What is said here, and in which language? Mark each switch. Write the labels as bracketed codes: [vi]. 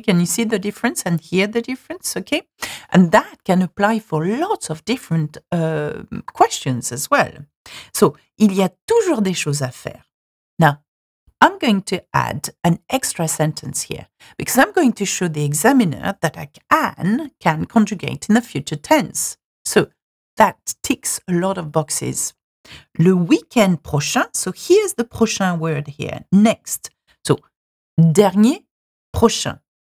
[en] Can you see the difference and hear the difference? Okay. And that can apply for lots of different questions as well. [fr] So, il y a toujours des choses à faire. [en] Now, I'm going to add an extra sentence here because I'm going to show the examiner that I can conjugate in the future tense. So that ticks a lot of boxes. [fr] Le week-end prochain. [en] So here's the prochain word here. Next. So dernier, prochain.